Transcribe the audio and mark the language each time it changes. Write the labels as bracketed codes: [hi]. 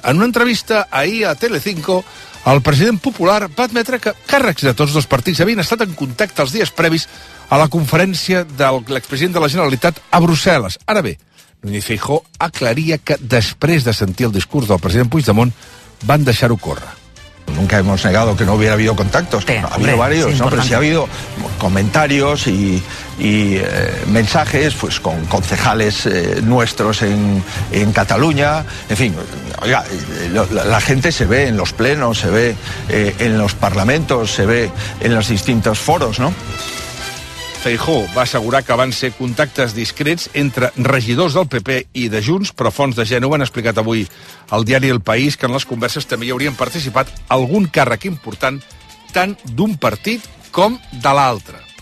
[ca] En una entrevista ahir a Telecinco, el president popular va admetre que càrrecs de tots dos partits havien estat en contacte els dies previs a la conferència de l'expresident de la Generalitat a Brussel·les. Ara bé, Núñez Feijóo aclaria que després de sentir el discurs del president Puigdemont van deixar-ho córrer. [es] Nunca hemos negado que no hubiera habido contactos. Sí, no, ha habido varios, ¿no? Pero sí ha habido comentarios y mensajes pues con concejales nuestros en Cataluña. En fin, oiga, la gente se ve en los plenos, se ve en los parlamentos, se ve en los distintos foros, ¿no? [ca] Feijóo va assegurar que van ser contactes discrets entre regidors del PP i de Junts, però fonts de Gènova han explicat avui al diari El País que en les converses també hi haurien participat algun càrrec important tant d'un partit com de l'altre.